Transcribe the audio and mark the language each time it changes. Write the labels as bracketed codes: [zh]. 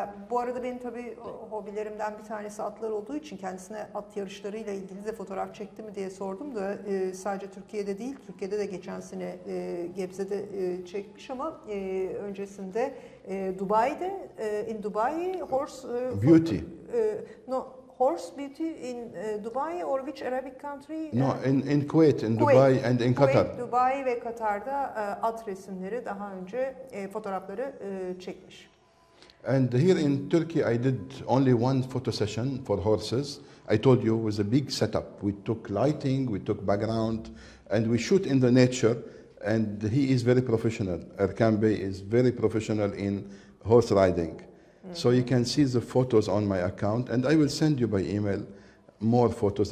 [tr] Bu arada benim tabii hobilerimden bir tanesi atlar olduğu için kendisine at yarışlarıyla ilgili de fotoğraf çekti mi diye sordum da sadece Türkiye'de değil, Türkiye'de de geçen sene Gebze'de çekmiş ama öncesinde Dubai'de, [en] in Dubai, horse... Beauty. Horse beauty in Dubai or which Arabic country? No, in Kuwait, in Dubai and in Qatar. [tr] Kuwait, Dubai ve Katar'da at resimleri daha önce fotoğrafları çekmiş. [en] And here in Turkey, I did only one photo session for horses. I told you it was a big setup. We took lighting, we took background, and we shoot in the nature. And he is very professional. Erkan Bey is very professional in horse riding. Mm-hmm. So you can see the photos on my account. And I will send you by email more photos.